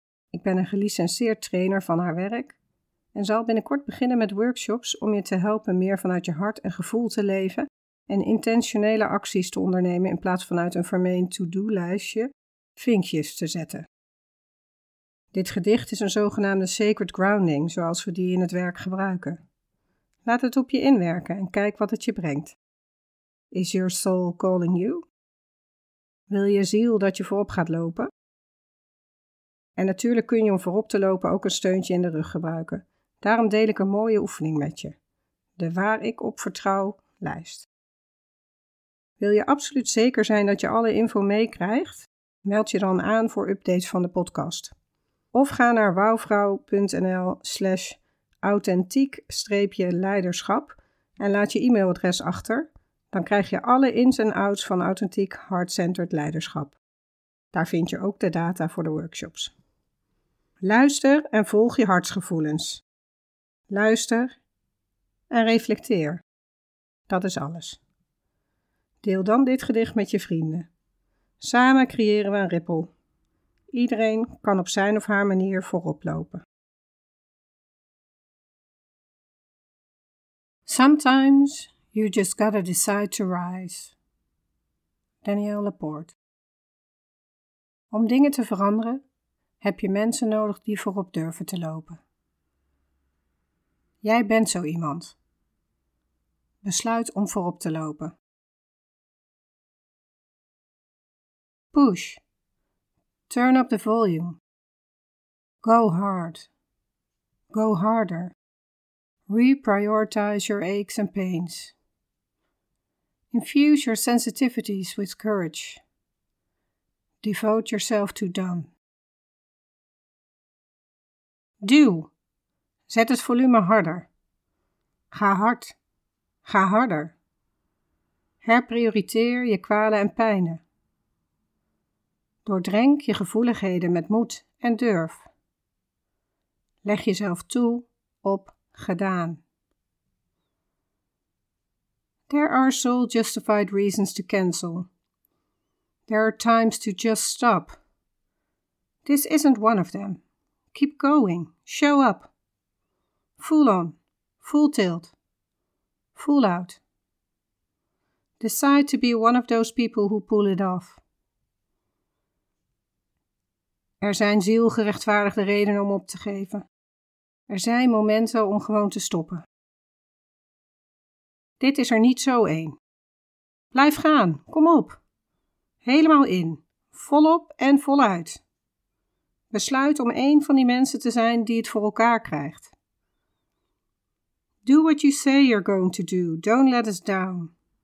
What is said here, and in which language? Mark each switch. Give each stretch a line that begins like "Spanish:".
Dutch: Ik ben een gelicenseerd trainer van haar werk en zal binnenkort beginnen met workshops om je te helpen meer vanuit je hart en gevoel te leven en intentionele acties te ondernemen in plaats vanuit een vermeend to-do-lijstje vinkjes te zetten. Dit gedicht is een zogenaamde sacred grounding, zoals we die in het werk gebruiken. Laat het op je inwerken en kijk wat het je brengt.
English: Is your soul calling you?
Dutch: Wil je ziel dat je voorop gaat lopen? En natuurlijk kun je om voorop te lopen ook een steuntje in de rug gebruiken. Daarom deel ik een mooie oefening met je. De waar ik op vertrouw lijst. Wil je absoluut zeker zijn dat je alle info meekrijgt? Meld je dan aan voor updates van de podcast. Of ga naar wauwvrouw.nl/authentiek-leiderschap en laat je e-mailadres achter. Dan krijg je alle ins en outs van authentiek heart-centered leiderschap. Daar vind je ook de data voor de workshops. Luister en volg je hartsgevoelens. Luister en reflecteer. Dat is alles. Deel dan dit gedicht met je vrienden. Samen creëren we een ripple. Iedereen kan op zijn of haar manier voorop lopen.
English: Sometimes you just gotta decide to rise. Danielle Poort.
Dutch: Om dingen te veranderen heb je mensen nodig die voorop durven te lopen. Jij bent zo iemand. Besluit om voorop te lopen.
English: Push. Turn up the volume. Go hard. Go harder. Reprioritize your aches and pains. Infuse your sensitivities with courage. Devote yourself to done.
Dutch: Do. Zet het volume harder. Ga hard. Ga harder. Herprioriteer je kwalen en pijnen. Doordrenk je gevoeligheden met moed en durf. Leg jezelf toe op gedaan.
English: There are soul justified reasons to cancel. There are times to just stop. This isn't one of them. Keep going. Show up. Full on. Full tilt. Full out. Decide to be one of those people who pull it off.
Dutch: Er zijn zielgerechtvaardigde redenen om op te geven. Er zijn momenten om gewoon te stoppen. Dit is er niet zo één. Blijf gaan, kom op. Helemaal in, volop en voluit. Besluit om één van die mensen te zijn die het voor elkaar krijgt.
English: Do what you say you're going to do, don't let us down.